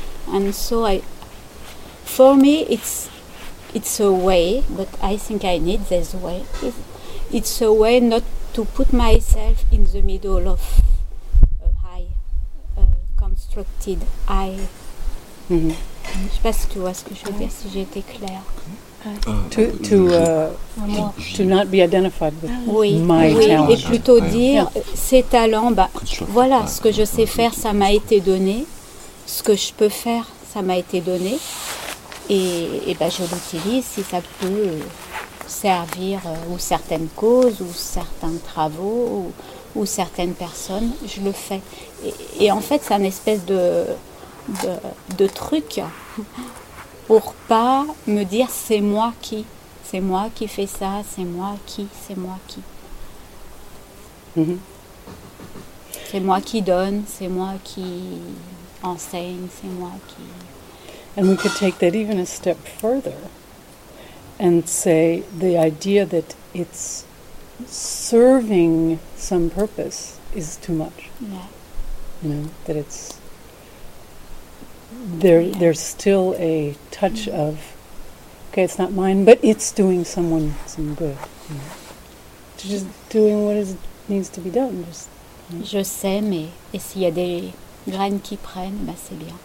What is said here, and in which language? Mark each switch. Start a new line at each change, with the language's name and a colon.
English: And so for me it's a way, but I think I need this way. It's a way not to put myself in the middle of a high constructed I. Mm-hmm.
French: Je sais pas si tu vois ce que je veux dire, si j'ai été claire.
English: To not be identified with
French: oui,
English: my
French: oui,
English: talent.
French: Et plutôt dire, ces talents, bah, voilà, ce que je sais faire, ça m'a été donné. Ce que je peux faire, ça m'a été donné. Et bah, je l'utilise si ça peut servir ou certaines causes, ou certains travaux, ou certaines personnes, je le fais. Et en fait, c'est un espèce de truc... pour pas me dire c'est moi qui fais ça, c'est moi qui. Mm-hmm. C'est moi qui donne, c'est moi qui enseigne, c'est moi qui...
English: And we could take that even a step further and say the idea that it's serving some purpose is too much. Yeah. You know, that it's... There's still a touch mm-hmm. of, okay, it's not mine, but it's doing someone some good. You know? To just doing what needs to be done. Just, you know.
French: Je sais, mais et s'il y a des graines qui prennent, bah c'est bien.